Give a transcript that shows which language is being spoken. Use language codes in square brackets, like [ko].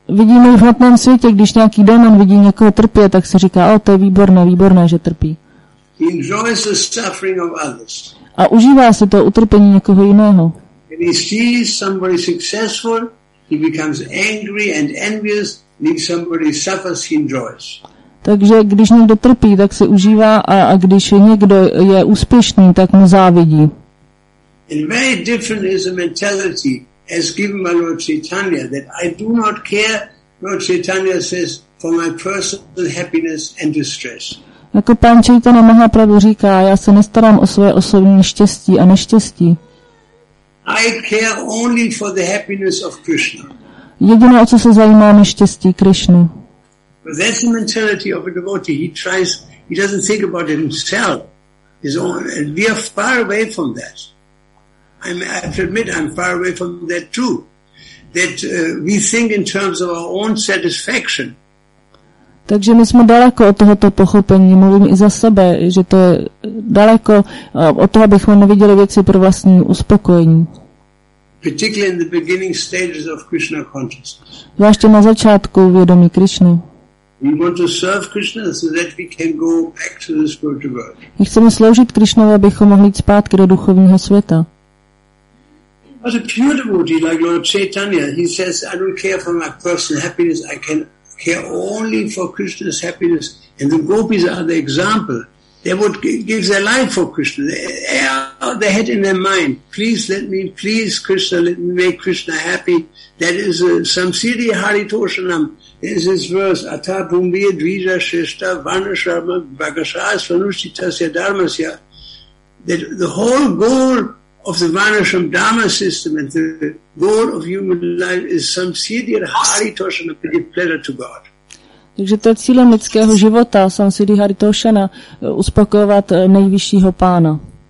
[cs] Vidíme v hmotném světě, když nějaký démon vidí někoho trpět, tak se říká, oh, to je výborné, výborné, že trpí. [en] He enjoys the suffering of others. [cs] A užívá si to utrpení někoho jiného. [en] When he sees somebody successful, he becomes angry and envious. If somebody suffers, he enjoys. [cs] Takže když někdo trpí, tak se užívá a když někdo je úspěšný, tak mu závidí. [en] And very different is the mentality as given by Lord Chaitanya that I do not care, Lord Chaitanya says, for my personal happiness and distress. [cs] Jako pán Chaitanya Mahaprabhu říká, já se nestarám o svoje osobní štěstí a neštěstí. [en] I care only for the happiness of Krishna. [cs] Jediné, o co se zajímám, je štěstí Krishny. [en] But that's the mentality of a devotee. He doesn't think about himself. His own, and we are far away from that. I have to admit, I'm far away from that too. That we think in terms of our own satisfaction. [cs] Takže my jsme daleko od tohoto pochopení. Mluvím i za sebe, že to je daleko od toho, abychom neviděli věci pro vlastní uspokojení. [en] Particularly in the beginning stages of Krishna consciousness. [cs] Zvláště na začátku vědomí Krishna. [en] We want to serve Krishna so that we can go back to the spiritual world. [cs] My chceme sloužit Krišnovi, abychom mohli jít zpátky do duchovního světa. [en] But a pure devotee like Lord Chaitanya, he says, I don't care for my personal happiness, I can care only for Krishna's happiness. And the gopis are the example. They would give their life for Krishna. They have their head in their mind. Please Krishna, let me make Krishna happy. That is [sa] samsiri hari toshanam. [en] Is this verse, [sa] Atha Bhumbiya Dvija Shrishta Varnashrama Bhagasas Vanushitasya Dharmasya [en] that the whole goal of the Vanasham Dharma system and the goal of human life is [sa] samsidhir haritoshan, [en] a pleasure to God. [cs] Takže to je cílem lidského života, [sa] samsidhir haritoshana, [cs] uspokojovat nejvyššího pána.